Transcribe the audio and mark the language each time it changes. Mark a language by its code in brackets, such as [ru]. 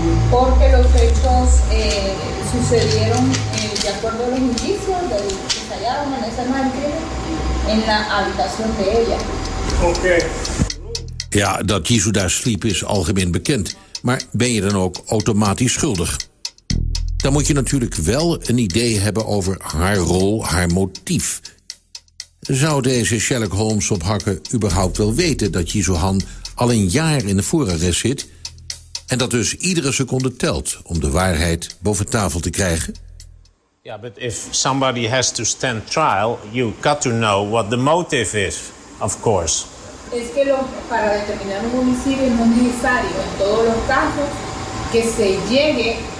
[es] Porque los hechos sucedieron de acuerdo a los indicios que se hallaron en esa noche en la habitación de ella. Okay. [nl] Ja, dat Yisu daar sliep is algemeen bekend. Maar ben je dan ook automatisch schuldig? Dan moet je natuurlijk wel een idee hebben over haar rol, haar motief. Zou deze Sherlock Holmes op hakken überhaupt wel weten dat Yisu Han al een jaar in de voorarrest zit en dat dus iedere seconde telt om de waarheid boven tafel te krijgen? [en] Ja, but if somebody has to stand trial, you got to know what the motive is, of course. [es] Es que para determinar un homicidio es necesario en todos los casos que se llegue